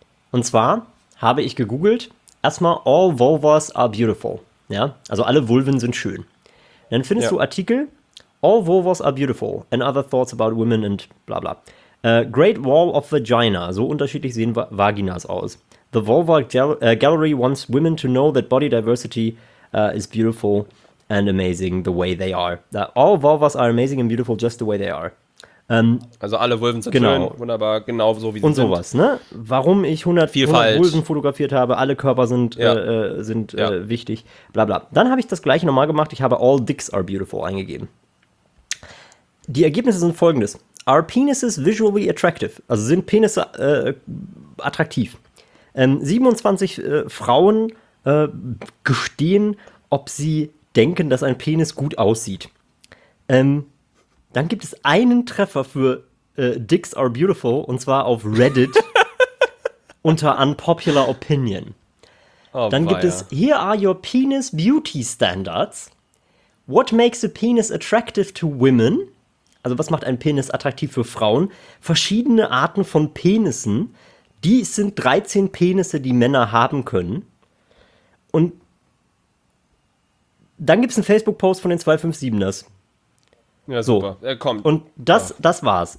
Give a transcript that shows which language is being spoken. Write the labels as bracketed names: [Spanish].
[German] Und zwar habe ich gegoogelt, erstmal [English] all vulvas are beautiful, [German] ja. Also alle Vulven sind schön. Dann findest du Artikel, [English] all vulvas are beautiful and other thoughts about women and bla bla. Great wall of vagina, [German] so unterschiedlich sehen Vaginas aus. [English] The Vulva Gallery wants women to know that body diversity is beautiful and amazing the way they are. That all vulvas are amazing and beautiful just the way they are. [German] Also alle Vulven sind schön, wunderbar, genau so wie sie und sind. Und sowas, ne? Warum ich 100 Vulven fotografiert habe, alle Körper sind, wichtig, bla bla. Dann habe ich das gleiche nochmal gemacht, ich habe [English] all dicks are beautiful [German] eingegeben. Die Ergebnisse sind folgendes. [English] Are penises visually attractive? [German] Also sind Penisse attraktiv? 27 Frauen gestehen, ob sie denken, dass ein Penis gut aussieht. Dann gibt es einen Treffer für [English] Dicks are beautiful, [German] und zwar auf Reddit unter Unpopular Opinion. Oh, dann gibt es [English] Here are your penis beauty standards. What makes a penis attractive to women? [German] Also, was macht ein Penis attraktiv für Frauen? Verschiedene Arten von Penissen. Die sind 13 Penisse, die Männer haben können. Und dann gibt es einen Facebook-Post von den 257ers. Ja, super. So. Kommt. Und das war's.